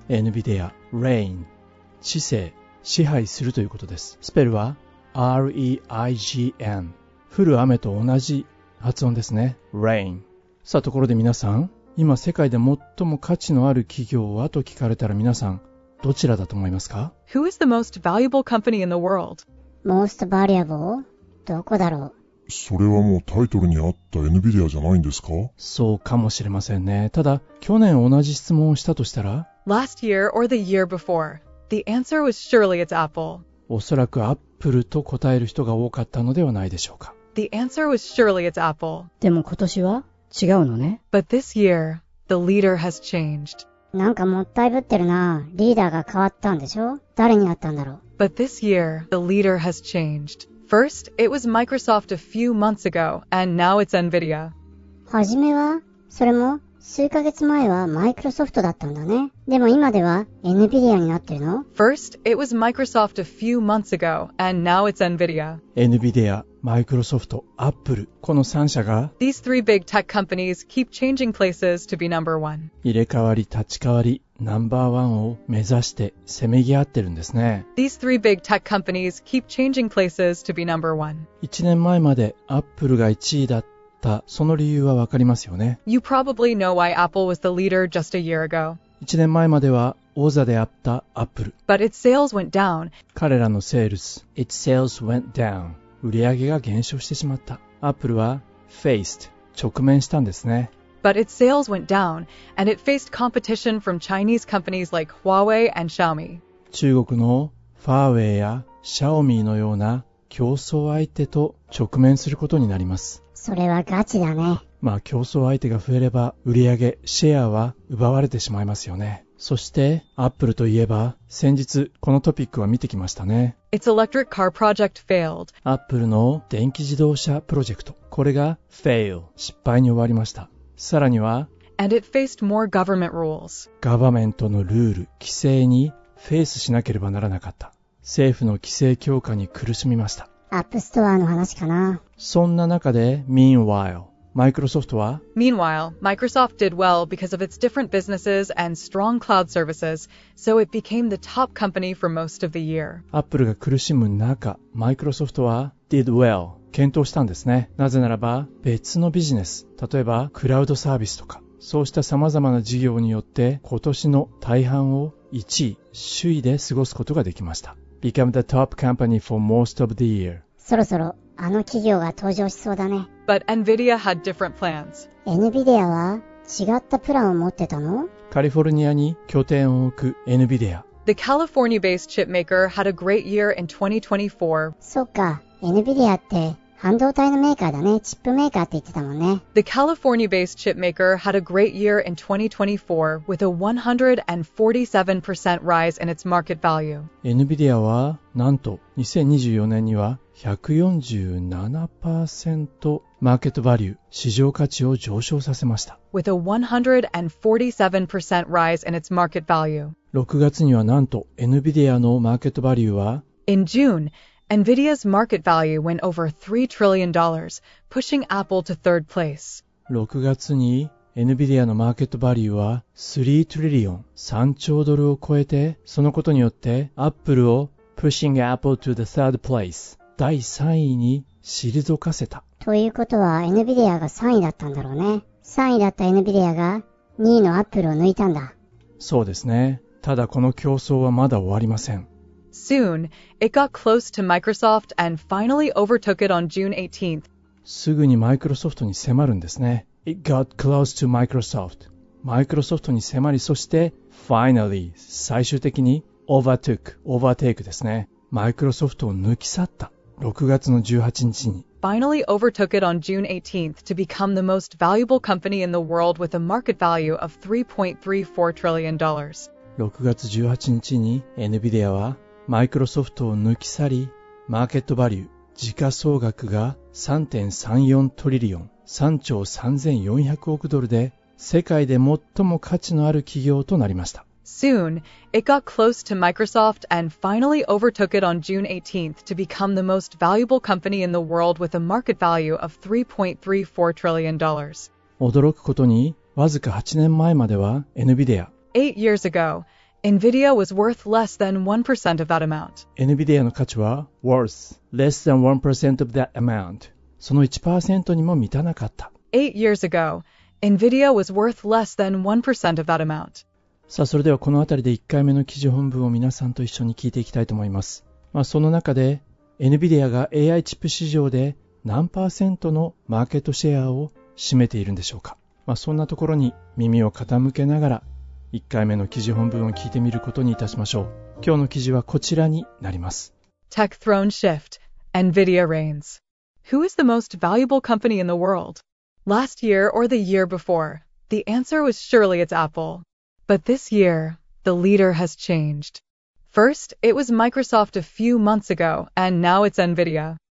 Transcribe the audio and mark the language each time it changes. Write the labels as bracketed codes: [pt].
[ja] NVIDIA Reign、 治世、支配するということです。スペルは REIGN、 降る雨と同じ発音ですね。 [en] Reign。 [ja] さあ、ところで皆さん、今世界で最も価値のある企業はと聞かれたら、皆さんどちらだと思いますか。 [en] Who is the most valuable company in the world? Most valuable? [ja] どこだろう。それはもうタイトルにあった NVIDIA じゃないんですか。そうかもしれませんね。ただ去年同じ質問をしたとしたら、 [en] Last year or the year before? The answer was surely it's Apple. [ja] おそらく Apple と答える人が多かったのではないでしょうか。 [en] The answer was surely it's Apple. [ja] でも今年は違うのね。 [en] But this year, the leader has changed. [ja] なんかもったいぶってるな。リーダーが変わったんでしょ。誰に会ったんだろう。 [en] But this year, the leader has changed. First, it was Microsoft a few months ago, and now it's NVIDIA. [ja] はじめは、それも数ヶ月前はマイクロソフトだったんだね。でも今では NVIDIA になってるの? [en] First, it was Microsoft a few months ago, and now it's NVIDIA. [ja] NVIDIA、Microsoft、Apple、この三社が [en] These three big tech companies keep changing places to be number one. [ja] 入れ替わり立ち替わり、ナンバーワンを目指して攻め合ってるんですね。 [en] These three big tech companies keep changing places to be number one. [ja] 1年前まで Apple が1位だった。その理由はわかりますよね。 [en] You probably know why Apple was the leader just a year ago. [ja] 1年前までは王座であった Apple。 [en] But its sales went down. [ja] 彼らのセールス、 [en] its sales went down。 [ja] 売上が減少してしまった。Apple は faced、直面したんですね。 [en] But its sales went down, and it faced competition from Chinese companies like Huawei and Xiaomi. [ja] 中国のファーウェイやシャオミーのような競争相手と直面することになります。それはガチだね。まあ競争相手が増えれば売上シェアは奪われてしまいますよね。そしてアップルといえば、先日このトピックは見てきましたね。 [en] Its electric car project failed. [ja] アップルの電気自動車プロジェクト、これが fail、 失敗に終わりました。さらには [en] And it faced more government rules. [ja] ガバメントのルール、規制にフェイスしなければならなかった。政府の規制強化に苦しみました。アップストアの話かな。そんな中で Meanwhile、 Microsoft は? [en] Meanwhile, Microsoft did well because of its different businesses and strong cloud services, so it became the top company for most of the year. [ja] Apple が苦しむ中、Microsoft は [en] did well、 [ja] 健闘したんですね。なぜならば、別のビジネス、例えばクラウドサービスとか、そうした様々な事業によって今年の大半を1位、首位で過ごすことができました。 [en] Become the top company for most of the year. [ja] そろそろあの企業が登場しそうだね。 [en] But Nvidia had different plans. [ja] Nvidia は違ったプランを持ってたの? カリフォルニアに拠点を置く Nvidia。 [en] The California-based chipmaker had a great year in 2024. [ja] そっか、Nvidia って半導体のメーカーだね。チップメーカーって言ってたもんね。 [en] The California-based chipmaker had a great year in 2024 with a 147% rise in its market value. [ja] Nvidia はなんと2024年には 147% マーケットバリュー、市場価値を上昇させました。 [en] With a 147% rise in its market value. [ja] 6月にはなんと Nvidia のマーケットバリューは [en] In June,NVIDIA's market value went over $3 trillion, pushing Apple to third place. [ja] 6月に NVIDIA のマーケットバリューは3 trillion、3兆ドルを超えて、そのことによって Apple を [en] pushing Apple to the third place、 [ja] 第3位に退かせた。ということは NVIDIA が3位だったんだろうね。3位だった NVIDIA が2位の Apple を抜いたんだ。そうですね。ただこの競争はまだ終わりません。 [en] Soon, it got close to Microsoft and finally overtook it on June 18th. [ja] すぐにマイクロソフトに迫るんですね。 [en] It got close to Microsoft. [ja] マイクロソフトに迫り、そして finally, 最終的に overtook, overtake ですね。マイクロソフトを抜き去った。 6月の18日に。 [en] Finally overtook it on June 18th to become the most valuable company in the world with a market value of $3.34 trillion. [ja] 6月18日に NVIDIA はマイクロソフトを抜き去り、マーケットバリュー、時価総額が 3.34 トリリオン、3兆3400億ドルで世界で最も価値のある企業となりました。 [en] Soon, it got close to Microsoft and finally overtook it on June 18th to become the most valuable company in the world with a market value of $3.34 trillion. [ja] 驚くことに、わずか8年前までは NVIDIA、 [en] 8 years ago, NVIDIA was worth less than 1% of that amount. [ja] NVIDIA の価値は [en] worth less than 1% of that amount. [ja] その 1% にも満たなかった。 [en] 8 years ago, NVIDIA was worth less than 1% of that amount. [ja] さあ、それではこのあたりで1回目の記事本文を皆さんと一緒に聞いていきたいと思います。まあ、その中で NVIDIA が AI チップ市場で何パーセントのマーケットシェアを占めているんでしょうか。まあ、そんなところに耳を傾けながら1回目の記事本文を聞いてみることにいたしましょう。今日の記事はこちらになります。 [en] Tech throne shift. NVIDIA reigns. Who is the most valuable company in the world? Last year or the year before, the answer was surely it's Apple. But this year, the leader has changed. First, it was Microsoft a few months ago, and now it's NVIDIA.